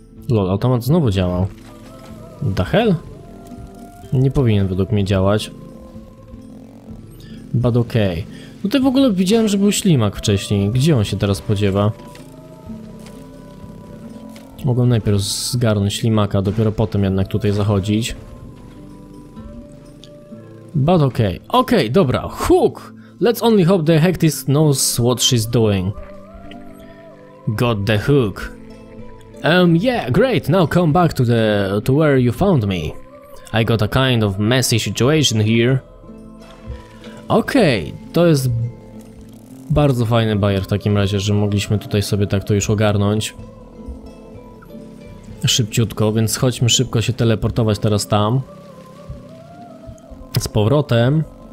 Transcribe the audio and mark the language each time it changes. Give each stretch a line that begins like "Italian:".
Polish: Lol, automat znowu działał.
English: The hell?
Polish: Nie powinien według mnie działać.
English: But okay.
Polish: No to w ogóle widziałem, że był ślimak wcześniej. Gdzie on się teraz podziewa? Mogę najpierw zgarnąć ślimaka, dopiero potem jednak tutaj zachodzić.
English: But okay. Okay, dobra. Hook! Let's only hope the hectist knows what she's doing. Got the hook. Yeah, great. Now come back to the... to where you found me. I got a kind of messy situation here.
Polish: Okay, to jest... bardzo fajny bajer w takim razie, że mogliśmy tutaj sobie tak to już ogarnąć. Szybciutko, więc chodźmy szybko się teleportować teraz tam. Z powrotem.